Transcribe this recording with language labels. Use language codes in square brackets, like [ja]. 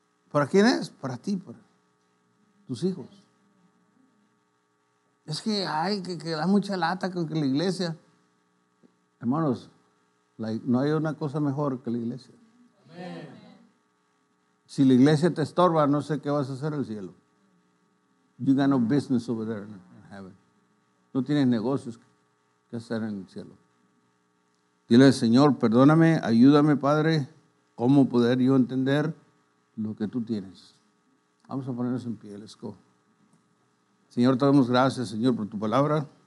[es] ¿Para quién es? Para ti, para tus hijos. Es que hay que da mucha lata con que la iglesia. Hermanos, no hay una cosa mejor que la iglesia. Amén. Si la iglesia te estorba, no sé qué vas a hacer en el cielo. [en] You got no business over there in heaven. [es] No tienes negocios que hacer en el cielo. Dile al Señor, perdóname, ayúdame, Padre, cómo poder yo entender lo que tú tienes. Vamos a ponernos en pie, [en] let's go. [es] Señor, te damos gracias, Señor, por tu palabra.